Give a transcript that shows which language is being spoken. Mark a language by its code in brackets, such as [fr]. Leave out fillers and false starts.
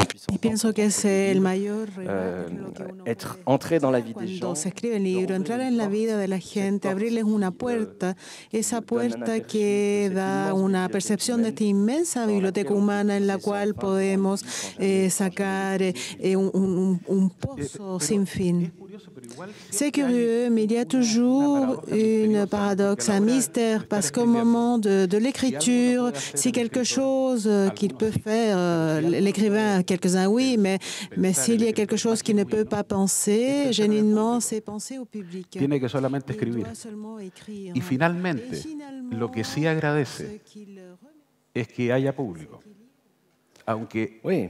[es] Y pienso que es el mayor regalo que uno cuando se escribe el libro, entrar en la vida de la gente, abrirles una puerta, esa puerta que da una percepción de esta inmensa biblioteca humana en la cual podemos sacar un pozo sin fin. [fr] C'est curieux, mais il y a toujours une paradoxe, un mystère, parce qu'au moment de l'écriture, si quelque chose qu'il peut faire, l'écrivain, quelques-uns, oui, mais s'il y a quelque chose qu'il ne peut pas penser, génuinement, c'est penser au public. [es] Tiene que solamente escribir. Y finalmente, lo que sí agradece es que haya público. Aunque